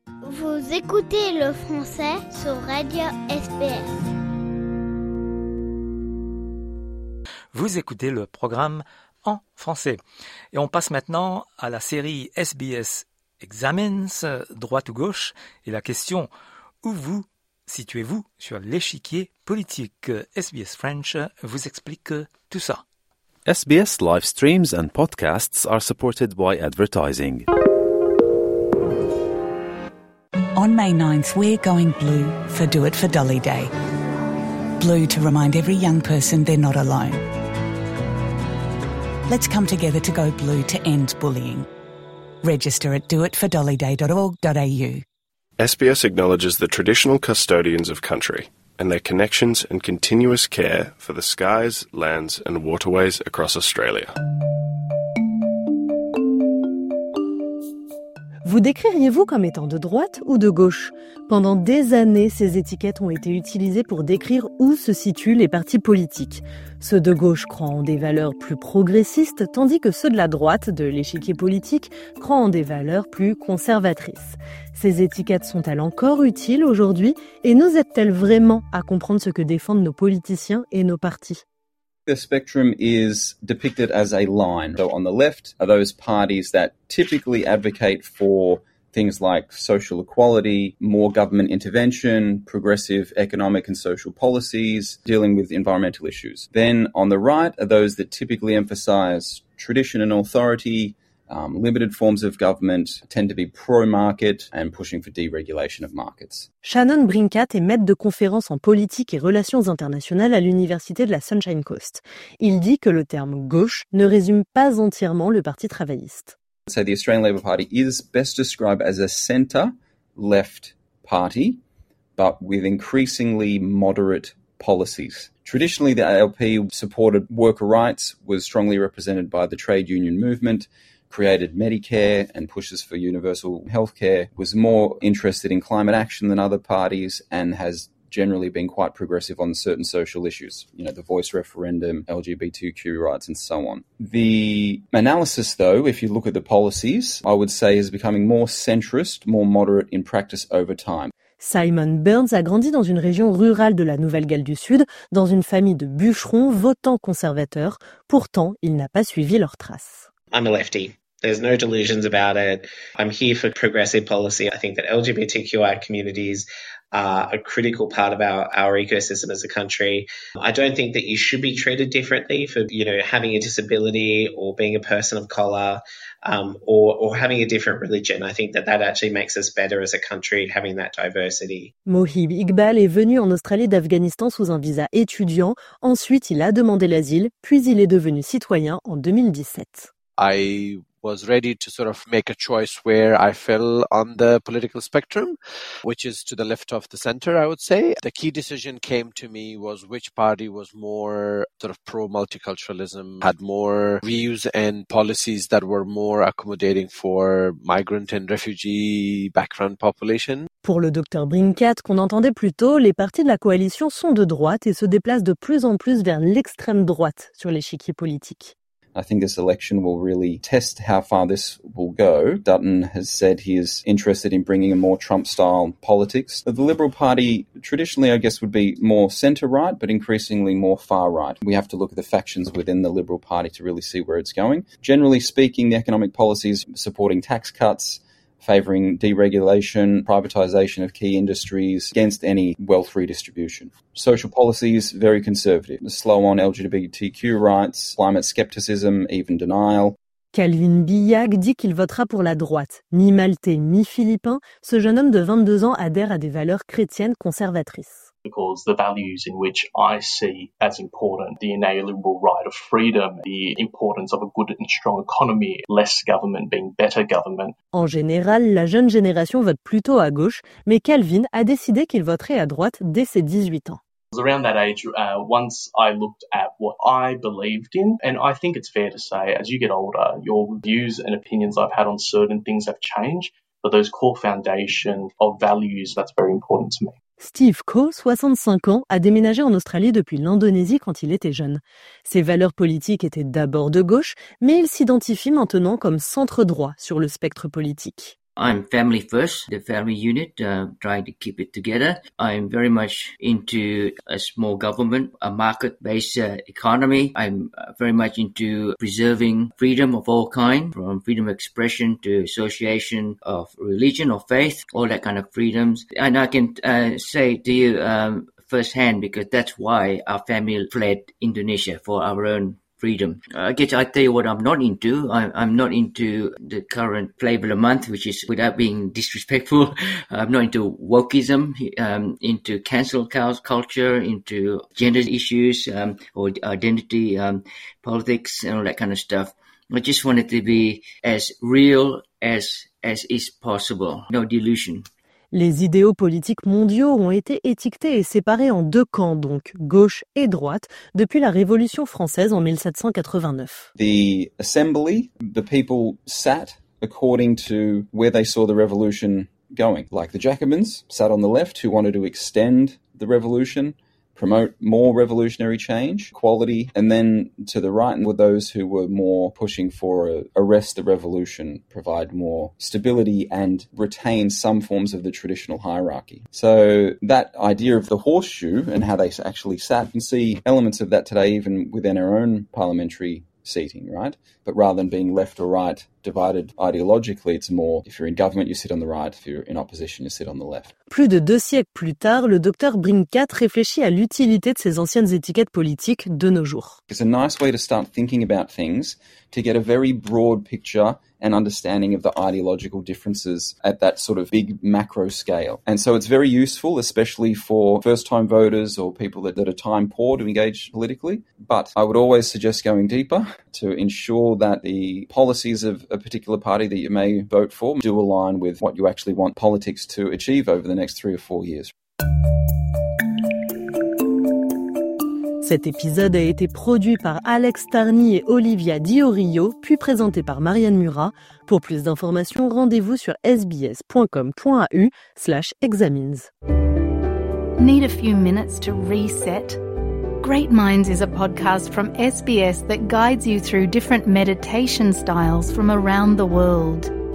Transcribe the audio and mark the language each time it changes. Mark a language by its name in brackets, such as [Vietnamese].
[French] Vous écoutez le français sur Radio SBS. Vous écoutez le programme en français. Et on passe maintenant à la série [English] SBS Examines, [French] droite ou gauche, et la question, où vous situez-vous sur l'échiquier politique? SBS French vous explique tout ça. [English] SBS live streams and podcasts are supported by advertising. On May 9th, we're going blue for Do It For Dolly Day. Blue to remind every young person they're not alone. Let's come together to go blue to end bullying. Register at doitfordollyday.org.au. SBS acknowledges the traditional custodians of country and their connections and continuous care for the skies, lands and waterways across Australia. [French] Vous décririez-vous comme étant de droite ou de gauche? Pendant des années, ces étiquettes ont été utilisées pour décrire où se situent les partis politiques. Ceux de gauche croient en des valeurs plus progressistes, tandis que ceux de la droite, de l'échiquier politique, croient en des valeurs plus conservatrices. Ces étiquettes sont-elles encore utiles aujourd'hui et nous aident-elles vraiment à comprendre ce que défendent nos politiciens et nos partis? [English] The spectrum is depicted as a line. So on the left are those parties that typically advocate for things like social equality, more government intervention, progressive economic and social policies, dealing with environmental issues. Then on the right are those that typically emphasize tradition and authority, limited forms of government, tend to be pro-market and pushing for deregulation of markets. [French] Shannon Brincat est maître de conférence en politique et relations internationales à l'Université de la Sunshine Coast. Il dit que le terme « gauche » ne résume pas entièrement le Parti travailliste. [English] So the Australian Labor Party is best described as a centre-left party, but with increasingly moderate policies. Traditionally, the ALP supported worker rights, was strongly represented by the trade union movement, created Medicare and pushes for universal healthcare, was more interested in climate action than other parties, and has generally been quite progressive on certain social issues, you know, the voice referendum, LGBTQ rights, and so on. The analysis, though, if you look at the policies, I would say is becoming more centrist, more moderate in practice over time. [French] Simon Burns a grandi dans une région rurale de la Nouvelle-Galles du Sud, dans une famille de bûcherons votant conservateurs. Pourtant, il n'a pas suivi leurs traces. [English] I'm a lefty. There's no delusions about it. I'm here for progressive policy. I think that LGBTQI communities are a critical part of our ecosystem as a country. I don't think that you should be treated differently for, you know, having a disability or being a person of colour or having a different religion. I think that that actually makes us better as a country, having that diversity. [French] Mohib Iqbal est venu en Australie d'Afghanistan sous un visa étudiant. Ensuite, il a demandé l'asile, puis il est devenu citoyen en 2017. [English] I was ready to sort of make a choice where I fell on the political spectrum, which is to the left of the center, I would say. The key decision came to me was which party was more sort of pro-multiculturalism, had more views and policies that were more accommodating for migrant and refugee background population. [French] Pour le docteur Brincat, qu'on entendait plus tôt, les partis de la coalition sont de droite et se déplacent de plus en plus vers l'extrême droite sur l'échiquier politique. [English] I think this election will really test how far this will go. Dutton has said he is interested in bringing a more Trump-style politics. The Liberal Party, traditionally, I guess, would be more centre-right, but increasingly more far-right. We have to look at the factions within the Liberal Party to really see where it's going. Generally speaking, the economic policies supporting tax cuts, favouring deregulation, privatisation of key industries, against any wealth redistribution. Social policies, very conservative. Slow on LGBTQ rights, climate scepticism, even denial. [French] Calvin Billag dit qu'il votera pour la droite. Ni maltais, ni philippin, ce jeune homme de 22 ans adhère à des valeurs chrétiennes conservatrices. [English] Because the values in which I see as important, the inalienable right of freedom, the importance of a good and strong economy, less government being better government. [French] En général, la jeune génération vote plutôt à gauche, mais Calvin a décidé qu'il voterait à droite dès ses 18 ans. [English] Around that age, once I looked at what I believed in, and I think it's fair to say, as you get older, your views and opinions I've had on certain things have changed, but those core foundations of values, that's very important to me. [French] Steve Coe, 65 ans, a déménagé en Australie depuis l'Indonésie quand il était jeune. Ses valeurs politiques étaient d'abord de gauche, mais il s'identifie maintenant comme centre-droit sur le spectre politique. [English] I'm family first, the family unit, trying to keep it together. I'm very much into a small government, a market-based economy. I'm very much into preserving freedom of all kind, from freedom of expression to association of religion or faith, all that kind of freedoms. And I can say to you firsthand, because that's why our family fled Indonesia for our own freedom. I guess I tell you what I'm not into. I'm not into the current flavor of the month, which is, without being disrespectful, I'm not into wokeism, into cancel culture, into gender issues or identity politics and all that kind of stuff. I just want it to be as real as is possible. No delusion. [French] Les idéaux politiques mondiaux ont été étiquetés et séparés en deux camps, donc gauche et droite, depuis la Révolution française en 1789. [English] The assembly, the people sat according to where they saw the revolution going. Like the Jacobins sat on the left, who wanted to extend the revolution, promote more revolutionary change, equality, and then to the right were those who were more pushing for arrest the revolution, provide more stability and retain some forms of the traditional hierarchy. So that idea of the horseshoe and how they actually sat, you can see elements of that today even within our own parliamentary seating, right? But rather than being left or right divided ideologically, it's more if you're in government, you sit on the right, if you're in opposition, you sit on the left. [French] Plus de deux siècles plus tard, le docteur Brincat réfléchit à l'utilité de ces anciennes étiquettes politiques de nos jours. [English] It's a nice way to start thinking about things, to get a very broad picture and understanding of the ideological differences at that sort of big macro scale. And so it's very useful, especially for first-time voters or people that are time poor to engage politically. But I would always suggest going deeper to ensure that the policies of a particular party that you may vote for do align with what you actually want politics to achieve over the next 3 or 4 years. [French] Cet épisode a été produit par Alex Tarny et Olivia Diorio, puis présenté par Marianne Murat. Pour plus d'informations, rendez-vous sur sbs.com.au/examines. [English] Need a few minutes to reset? Great Minds is a podcast from SBS that guides you through different meditation styles from around the world.